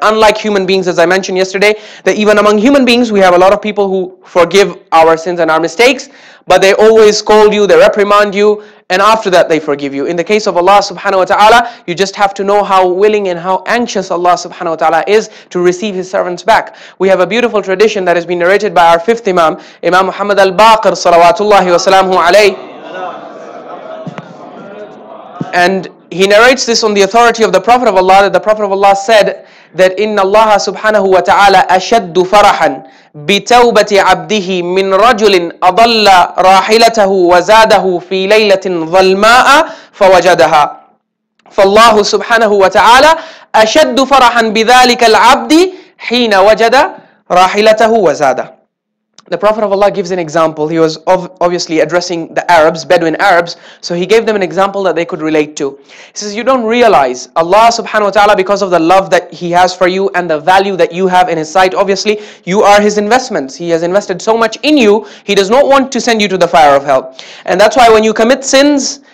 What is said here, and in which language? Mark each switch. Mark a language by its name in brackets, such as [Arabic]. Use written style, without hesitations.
[English] Unlike human beings, as I mentioned yesterday, that even among human beings, we have a lot of people who forgive our sins and our mistakes, but they always scold you, they reprimand you, and after that they forgive you. In the case of Allah subhanahu wa ta'ala, you just have to know how willing and how anxious Allah subhanahu wa ta'ala is to receive His servants back. We have a beautiful tradition that has been narrated by our fifth Imam, Imam Muhammad al-Baqir salawatullahi wa salamu alayhi. And he narrates this on the authority of the Prophet of Allah, that the Prophet of Allah said that [Arabic] إن الله سبحانه وتعالى أشد فرحا بتوبة عبده من رجل أضل راحلته وزاده في ليلة ظلماء فوجدها فالله سبحانه وتعالى أشد فرحا بذلك العبد حين وجد راحلته وزاده. [English] The Prophet of Allah gives an example. He was obviously addressing the Arabs, Bedouin Arabs. So he gave them an example that they could relate to. He says, you don't realize Allah subhanahu wa ta'ala, because of the love that He has for you and the value that you have in His sight, obviously, you are His investments. He has invested so much in you, He does not want to send you to the fire of hell. And that's why when you commit sins